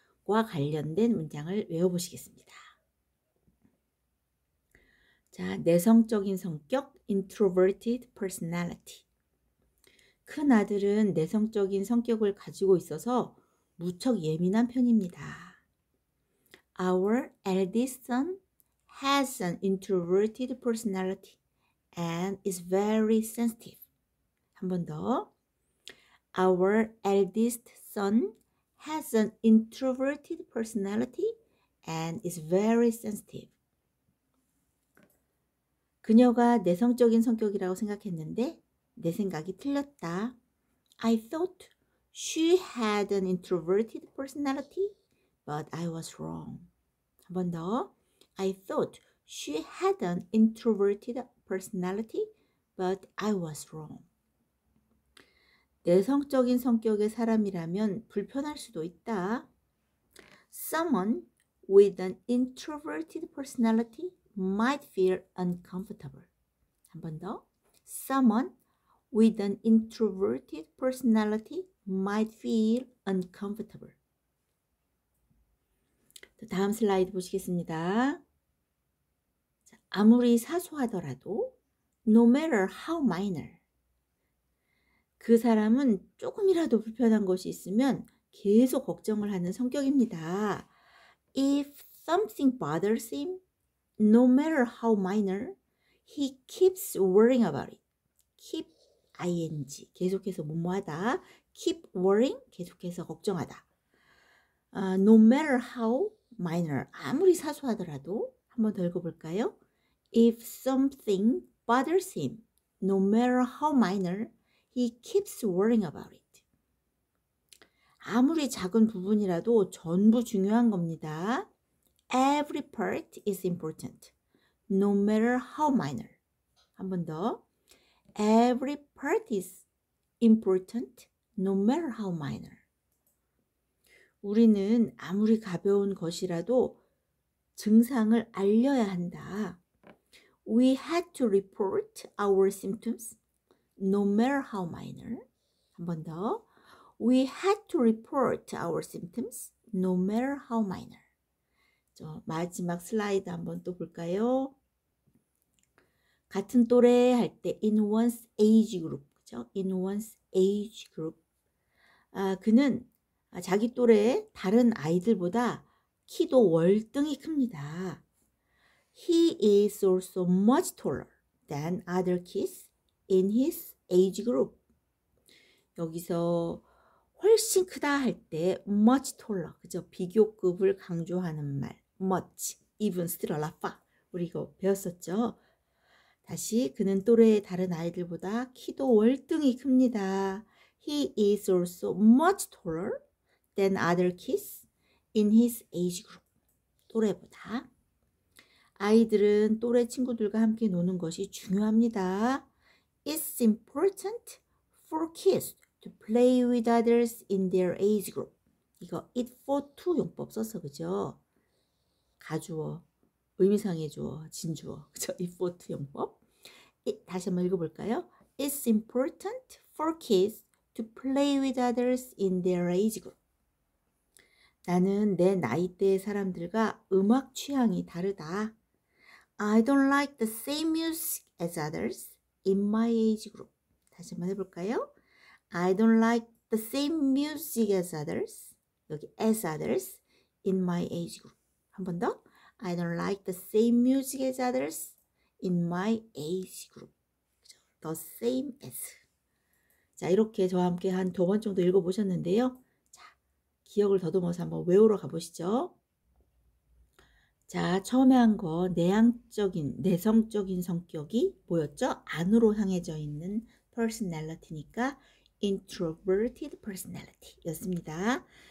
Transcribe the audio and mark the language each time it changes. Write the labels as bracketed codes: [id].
[ko] 과 관련된 문장을 외워보시겠습니다. 자, 내성적인 성격, [en] introverted personality. [ko] 큰 아들은 내성적인 성격을 가지고 있어서 무척 예민한 편입니다. [en] Our eldest son has an introverted personality and is very sensitive. [ko] 한번 더. [en] Our eldest son has an introverted personality and is very sensitive. [ko] 그녀가 내성적인 성격이라고 생각했는데 내 생각이 틀렸다. [en] I thought she had an introverted personality, but I was wrong. [ko] 한번 더. [en] I thought she had an introverted personality, but I was wrong. [ko] 내성적인 성격의 사람이라면 불편할 수도 있다. [en] Someone with an introverted personality might feel uncomfortable. [ko] 한번 더. [en] Someone with an introverted personality might feel uncomfortable. [ko] 다음 슬라이드 보시겠습니다. 아무리 사소하더라도, [en] no matter how minor. [ko] 그 사람은 조금이라도 불편한 것이 있으면 계속 걱정을 하는 성격입니다. [en] If something bothers him, no matter how minor, he keeps worrying about it. [ko] Keep, ing, 계속해서 뭐뭐하다. Keep worrying, 계속해서 걱정하다. [en] No matter how minor, [ko] 아무리 사소하더라도 한번 더 읽어볼까요? [en] If something bothers him, no matter how minor, he keeps worrying about it. [ko] 아무리 작은 부분이라도 전부 중요한 겁니다. [en] Every part is important. No matter how minor. [ko] 한번 더. [en] Every part is important, no matter how minor. [ko] 우리는 아무리 가벼운 것이라도 증상을 알려야 한다. [en] We had to report our symptoms, no matter how minor. [ko] 한번 더. [en] We had to report our symptoms, no matter how minor. [ko] 저 마지막 슬라이드 한번 또 볼까요? 같은 또래 할때 [en] in one's age group, [ko] 그죠? [en] In one's age group. [ko] 아, 그는 자기 또래 다른 아이들보다 키도 월등히 큽니다. [en] He is also much taller than other kids in his age group. [ko] 여기서 훨씬 크다 할때 [en] much taller, [ko] 그죠? 비교급을 강조하는 말, [en] much, even still a lot far. [ko] 우리 이거 배웠었죠? 다시, 그는 또래의 다른 아이들보다 키도 월등히 큽니다. [en] He is also much taller than other kids in his age group. [ko] 또래보다. 아이들은 또래 친구들과 함께 노는 것이 중요합니다. [en] It's important for kids to play with others in their age group. [ko] 이거 it for to 용법 써서 그죠? 가주어, 의미상의 주어, 진주어. 그죠? it for to 용법. 다시 한번 읽어볼까요? [en] It's important for kids to play with others in their age group. [ko] 나는 내 나이대의 사람들과 음악 취향이 다르다. [en] I don't like the same music as others in my age group. [ko] 다시 한번 해볼까요? [en] I don't like the same music as others. [ko] 여기 [en] as others in my age group. [ko] 한번 더. [en] I don't like the same music as others in my age group. The same as. [ko] 자, 이렇게 저와 함께 한두번 정도 읽어보셨는데요. 자, 기억을 더듬어서 한번 외우러 가보시죠. 자, 처음에 한 거, 내향적인, 내성적인 성격이 뭐였죠? 안으로 향해져 있는 personality니까 [en] introverted personality [ko] 였습니다.